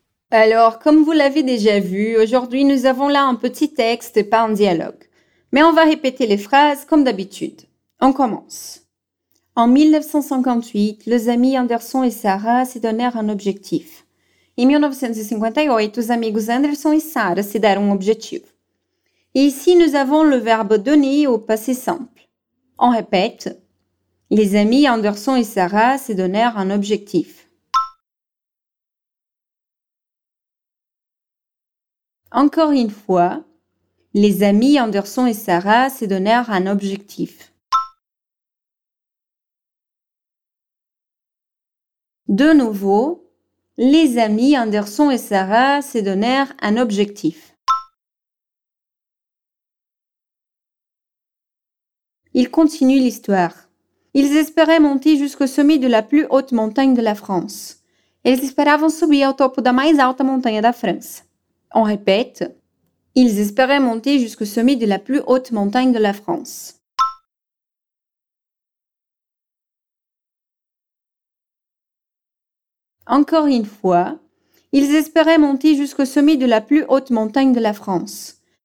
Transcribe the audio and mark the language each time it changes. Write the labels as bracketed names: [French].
[French] Alors, comme vous l'avez déjà vu, aujourd'hui nous avons là un petit texte et pas un dialogue. Mais on va répéter les phrases comme d'habitude. On commence. En 1958, les amis Anderson et Sarah se donnèrent un objectif. [Portuguese] Em 1958, os amigos Anderson e Sarah se deram um objetivo. [French] E ici, nous avons le verbe donner au passé simple. On répète. Les amis Anderson et Sarah se donnèrent un objectif. Encore une fois. Les amis Anderson et Sarah se donnèrent un objectif. De nouveau. Les amis Anderson et Sarah se donnèrent un objectif. Ils continuent l'histoire. Ils espéraient monter jusqu'au sommet de la plus haute montagne de la France. [Portuguese] Ils esperavam subir ao topo da mais alta montanha da França. [French] On répète. Ils espéraient monter jusqu'au sommet de la plus haute montagne de la France. Encore une fois, ils espéraient monter jusqu'au sommet de la plus haute montagne de la France.